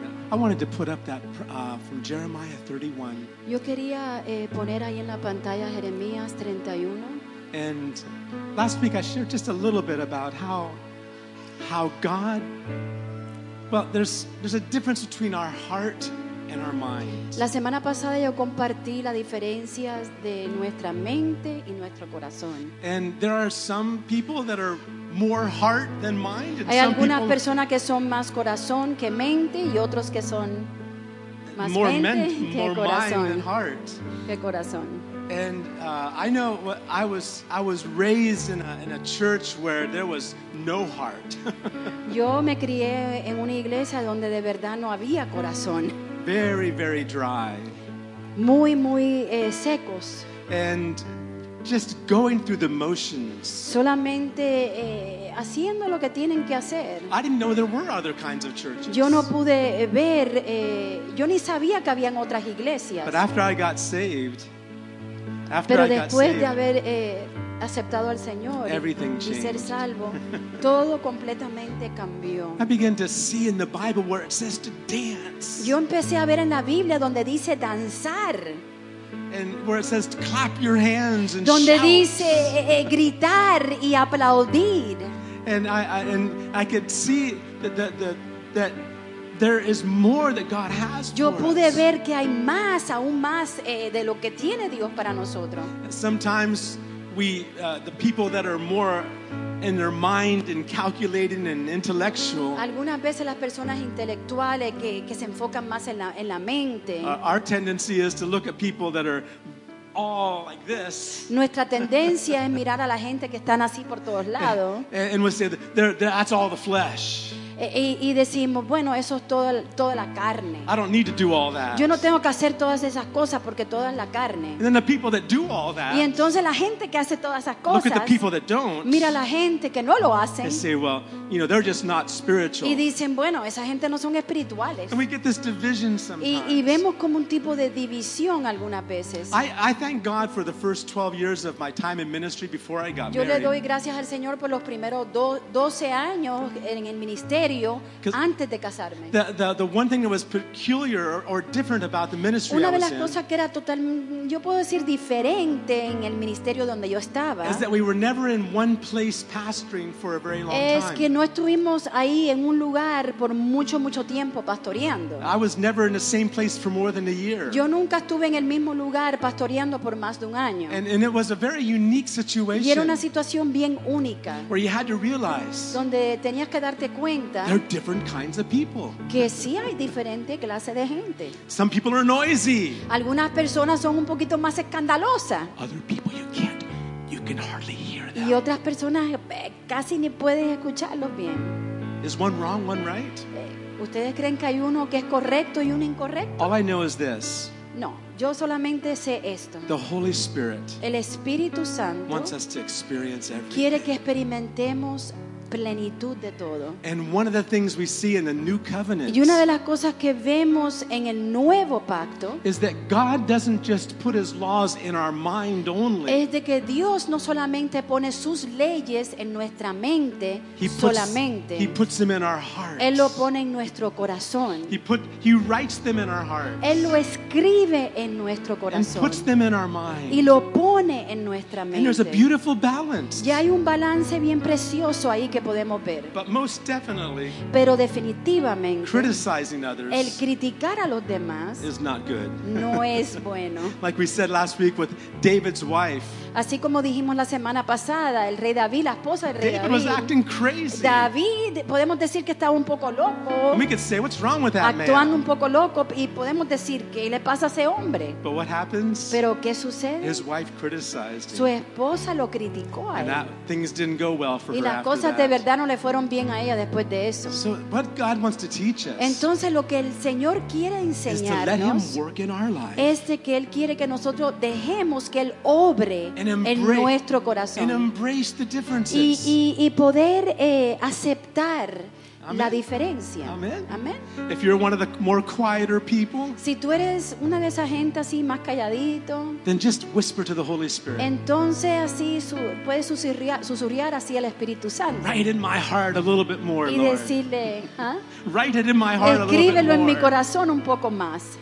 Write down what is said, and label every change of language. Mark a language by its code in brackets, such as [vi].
[en] I wanted to put up that from Jeremiah 31. [es] Yo quería poner ahí en la pantalla Jeremías 31. [en] And last week I shared just a little bit about how God. Well, there's a difference between our heart and our mind. [es] La semana pasada yo compartí las diferencias de nuestra mente y nuestro corazón. [en] And there are some people that are more heart than mind. [es] Hay algunas personas que son más corazón que mente y otros que son más mente que corazón. Que corazón. [en] And I know what I was raised in a church where there was no heart. [es] Yo me crié en una iglesia donde de verdad no había corazón. [en] Very, very dry. [es] Muy, muy secos. [en] And just going through the motions. [es] Solamente haciendo lo que tienen que hacer. [en] I didn't know there were other kinds of churches. [es] Yo no pude ver, yo ni sabía que habían otras iglesias. [en] But after I got saved, [es] pero después de haber aceptado al Señor [en] Everything [es] y ser salvo, todo completamente cambió. [en] I began to see in the Bible where it says to dance. [es] Yo empecé a ver en la Biblia donde dice danzar. [en] And where it says to clap your hands and [es] donde [en] shout. [es] Dice gritar y aplaudir. [en] And I could see that there is more that God has. [es] Yo pude ver que hay más, aún más de lo que tiene Dios para nosotros. [en] Sometimes we the people that are more in their mind and calculating and intellectual. [es] Algunas veces las personas intelectuales que se enfocan más en la mente. [en] Our tendency is to look at people that are all like this. [es] Nuestra tendencia es mirar a la gente que están así por todos lados. [en] And we say that that's all the flesh. [es] Y decimos, bueno, eso es toda la carne. [en] I don't need to do all that. [es] Yo no tengo que hacer todas esas cosas porque toda es la carne. [en] And then the people that do all that, [es] y entonces la gente que hace todas esas cosas, [en] look at the people that don't, [es] mira a la gente que no lo hacen, [en] and say, well, you know, they're just not spiritual. [es] Y dicen, bueno, esa gente no son espirituales. [en] And we get this division sometimes. [es] Y vemos como un tipo de división algunas veces. [en] I thank God for the first 12 years of my time in ministry before I got [es] Yo [en] married. [es] Le doy gracias al Señor por los primeros 12 años en el ministerio. Antes de casarme. [en] The one thing that was peculiar or different about the ministry [es] Una de las cosas que era total, yo puedo decir diferente en el ministerio donde yo estaba, [en] is that we were never in one place pastoring for a very long time. [es] Es que no estuvimos ahí en un lugar por mucho tiempo pastoreando. [en] I was never in the same place for more than a year. [es] Yo nunca estuve en el mismo lugar pastoreando por más de un año. [en] And it was a very unique situation. [es] Y era una situación bien única. [en] Where you had to realize. [es] Donde tenías que darte cuenta. [en] There are different kinds of people. [es] Que sí hay diferente clase de gente. [en] Some people are noisy. [es] Algunas personas son un poquito más escandalosas. [en] Other people you can hardly hear them. [es] Y otras personas casi ni puedes escucharlos bien. [en] Is one wrong, one right? [es] ¿Ustedes creen que hay uno que es correcto y uno incorrecto? [en] All I know is this. [es] No, yo solamente sé esto. [en] The Holy Spirit. [es] El Espíritu Santo. [en] Wants us to experience everything. [es] Quiere que experimentemos plenitud de todo. [en] And one of the things we see in the new covenant. [es] Y una de las cosas que vemos en el nuevo pacto [en] is that God doesn't just put his laws in our mind only. [es] Es de que Dios no solamente pone sus leyes en nuestra mente, solamente. [en] He puts them in our hearts. [es] Él lo pone en nuestro corazón. [en] He writes them in our hearts. [es] Él lo escribe en nuestro corazón. [en] And puts them in our mind. [es] Y lo pone en nuestra mente. [en] And there's a beautiful balance. [es] Y hay un balance bien precioso ahí que podemos ver. [en] But most definitely, [es] pero definitivamente, [en] criticizing others, [es] el criticar a los demás, [en] is not good. [es] No es bueno. [en] Like we said last week with David's wife. [es] Así como dijimos la semana pasada, el rey David, la esposa del rey David, [en] was acting crazy. [es] David, podemos decir que estaba un poco loco. [en] And we could say, what's wrong with that [es] actuando [en] man? [es] Actuando un poco loco, y podemos decir qué le pasa a ese hombre. [en] But what happens? [es] Pero qué sucede? [en] His wife criticized him. [es] Su esposa lo criticó a él. [en] And that, things didn't go well for [es] y [en] her after that. [es] De verdad no le fueron bien a ella después de eso. [en] So what God wants to teach us, [es] entonces lo que el Señor quiere enseñarnos es de que Él quiere que nosotros dejemos que Él obre en nuestro corazón [en] and embrace the differences. [es] Y poder aceptar Amen. La diferencia. [en] Amen. If you're one of the more quieter people, [es] si tú eres una de esas gente así más calladito, [en] then just whisper to the Holy Spirit. [es] Entonces así puedes susurrar así al Espíritu Santo. [en] Write in my heart a little bit more, [es] y [en] Lord. [es] Y decirle, [en] Write it in my heart [es] Escríbelo [en] a little bit more. [es] En mi corazón un poco más.